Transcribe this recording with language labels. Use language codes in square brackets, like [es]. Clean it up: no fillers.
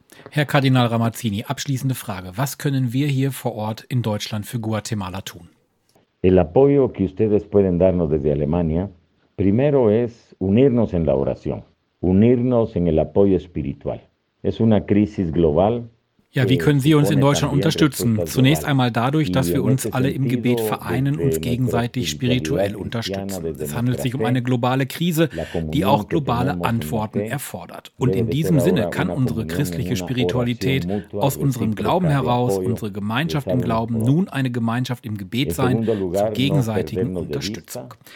[de] Herr Kardinal Ramazzini, abschließende Frage. Was können wir hier vor Ort in Deutschland für Guatemala tun? [es] El apoyo que ustedes pueden darnos desde Alemania, primero es unirnos en la oración, unirnos en el apoyo espiritual. Es una crisis global. [de] Ja, wie können Sie uns in Deutschland unterstützen? Zunächst einmal dadurch, dass wir uns alle im Gebet vereinen und gegenseitig spirituell unterstützen. Es handelt sich um eine globale Krise, die auch globale Antworten erfordert. Und in diesem Sinne kann unsere christliche Spiritualität aus unserem Glauben heraus, unsere Gemeinschaft im Glauben, nun eine Gemeinschaft im Gebet sein zur gegenseitigen Unterstützung.